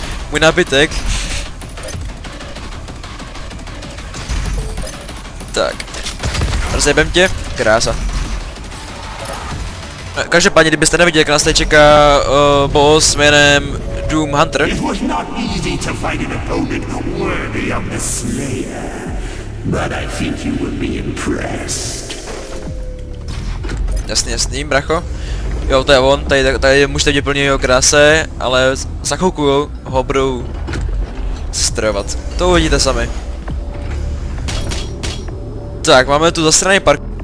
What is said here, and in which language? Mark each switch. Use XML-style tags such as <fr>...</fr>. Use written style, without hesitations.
<cs>Můj nábytek. Tak. Rozjebem tě. Krása. Každopádně, kdybyste neviděli, jak nás tady čeká boss jménem Doom Hunter.</cs> <en>It was not easy to fight an opponent worthy of the Slayer, but I think you will be impressed.</en> <cs>Jasný, jasný, bracho. Jo, to je on, tady je muž teď plně jeho kráse, ale za chvilku ho budou strojovat. To uvidíte sami. Tak, máme tu zasraný park.</cs>